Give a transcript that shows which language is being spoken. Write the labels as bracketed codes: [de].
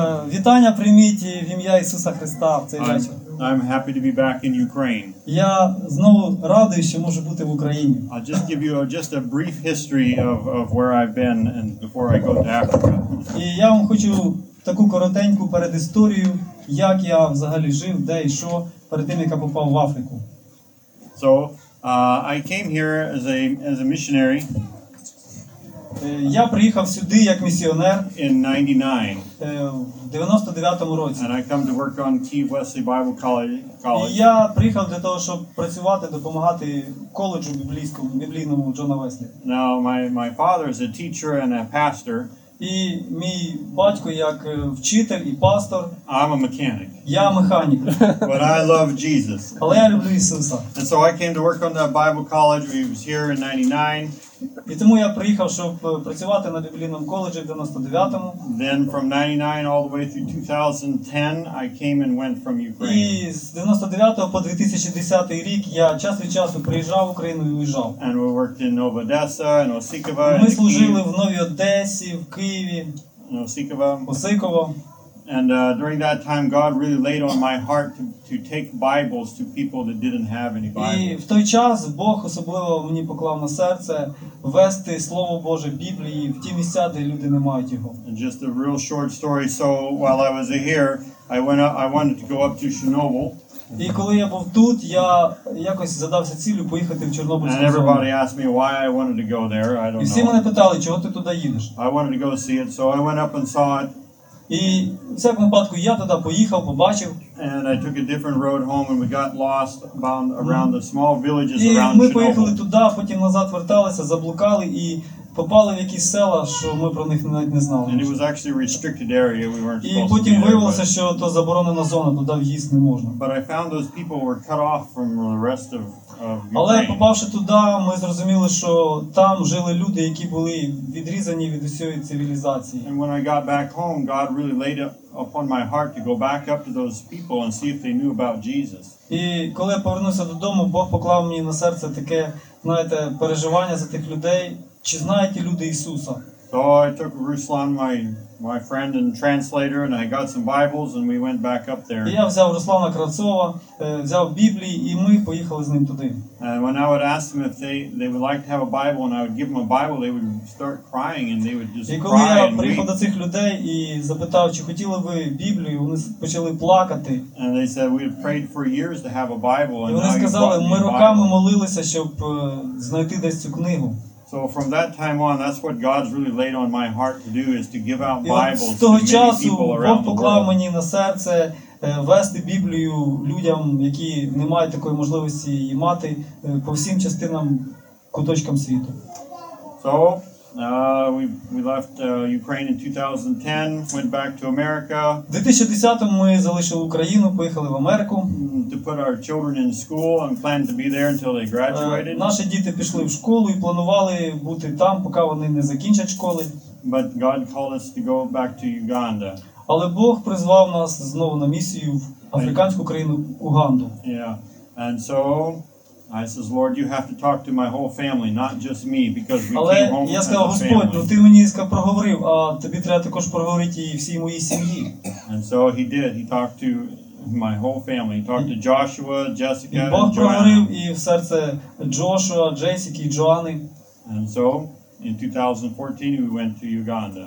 [uk] Вітання прийміть в ім'я Ісуса Христа в цей вечір. [en] I'm happy to be back in Ukraine. [uk] Я знову радий, що можу бути в Україні. [en] I'll just give you just a brief history of where I've been and before I go to Africa. [uk] І я вам хочу таку коротеньку передісторію, як я взагалі жив, де і що, перед тим, як я попав в Африку. [en] So, I came here as a missionary. [uk] Я приїхав сюди як місіонер [en] in 99. [uk] В 99-му році. [en] And I come to work on Keith Wesley Bible College. [uk] Я приїхав для того, щоб працювати, допомагати коледжу біблійському, біблійному Джона Веслі. [en] Now, my father is a teacher and a pastor. [uk] І мій батько як вчитель і пастор. [en] I'm a mechanic. [uk] Я механік. [en] But I love Jesus. [uk] Але я люблю Ісуса. [en] And so I came to work on the Bible college. He was here in 99. [uk] І тому я приїхав, щоб працювати на біблійному коледжі в 99-му. [en] Then from 99 all the way through 2010, I came and went from Ukraine. [uk] І з 99-го по 2010 рік я час від часу приїжджав в Україну і виїжджав. [en] And we worked in Nova Odessa, in Osikova. [uk] Ми служили в Новій Одесі, в Києві. [en] In Osikova. [uk] Осиково. [en] And during that time God really laid on my heart to take Bibles to people that didn't have any Bibles. [uk] І в той час Бог особливо мені поклав на серце вести слово Боже Біблії в ті місця, де люди не мають його. [en] And just a real short story, so while I was here, I wanted to go up to Chernobyl. [uk] І коли я був тут, я якось задався ціллю поїхати в Чорнобильську зону. [en] And everybody asked me why I wanted to go there. I don't know. [uk] І всі мене питали, чого ти туди їдеш? [en] I wanted to go see it, so I went up and saw it. [uk] І в всякому випадку я туди поїхав, побачив. [en] And I took a different road home and we got lost around the small villages around [uk] Chernobyl. І ми поїхали туди, потім назад верталися, заблукали і попали в якісь села, що ми про них навіть не знали. [en] And it was actually a restricted area, we weren't supposed to be there. [uk] І потім виявилося, що то заборонена зона, туди в'їзд не можна. [en] But I found those people were cut off from the rest of Ukraine. [uk] Але попавши туди, ми зрозуміли, що там жили люди, які були відрізані від усієї цивілізації. [en] And when I got back home, God really laid upon my heart to go back up to those people and see if they knew about Jesus. [uk] І коли я повернувся додому, Бог поклав мені на серце таке, знаєте, переживання за тих людей. Чи знаєте люди Ісуса? [en] So I took Ruslan, my friend and translator, and I got some Bibles, and we went back up there. [uk] Я взяв Руслана Кравцова, взяв Біблії, і ми поїхали з ним туди. [en] And when I would ask them if they would like to have a Bible, and I would give them a Bible, they would start crying, and they would just cry and weep. [uk] І коли я приїхав до цих людей і запитав, чи хотіли ви Біблію, вони почали плакати. [en] And they said, we had prayed for years to have a Bible, and now you've brought me a Bible. [uk] І вони сказали, ми роками молилися, щоб знайти десь цю книгу. [en] So from that time on, that's what God's really laid on my heart to do, is to give out Bibles to many people [uk] І з того часу Бог поклав мені на серце вести Біблію людям, які не мають такої можливості її мати, по всім частинам, куточкам світу. [en] So, we left Ukraine in 2010, went back to America. [uk] В 2010-му ми залишили Україну, поїхали в Америку. [en] To put our children in school and plan to be there until they graduated. [uk] Наші діти пішли в школу і планували бути там, поки вони не закінчать школи. [en] But God called us to go back to Uganda. [uk] Але Бог призвав нас знову на місію в африканську країну Уганду. [en] Yeah. And so I says, Lord, you have to talk to my whole family, not just me, because we [uk] Але [en] came home with family. [uk] Але я сказав, Господь, ну ти мені сказав, проговорив, а тобі треба також проговорити і всій моїй сім'ї. [en] And so he did. He talked to my whole family. He talked to Joshua, Jessica, and [uk] Бог проговорив і в серце Джошуа, Джесіки, Джоани. [en] And so in 2014 we went to Uganda.